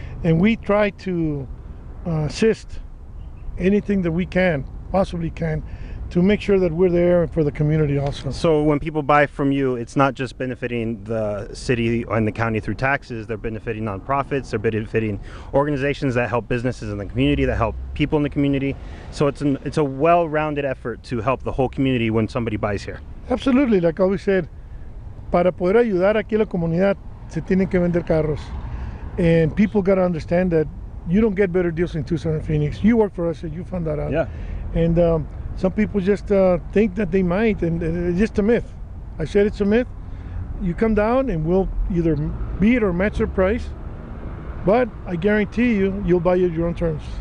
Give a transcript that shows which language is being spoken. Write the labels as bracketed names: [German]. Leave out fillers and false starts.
[English] And we try to assist anything that we can, possibly can, to make sure that we're there for the community also. So when people buy from you, it's not just benefiting the city and the county through taxes, they're benefiting nonprofits, they're benefiting organizations that help businesses in the community, that help people in the community. So it's a well-rounded effort to help the whole community when somebody buys here. Absolutely, like I always said, [Spanish] para poder ayudar aquí la comunidad, se tienen que vender carros. [English] And people gotta understand that you don't get better deals in Tucson or Phoenix. You work for us and you found that out. Yeah. And some people just think that they might, and it's just a myth. I said it's a myth. You come down and we'll either beat or match your price, but I guarantee you, you'll buy it at your own terms.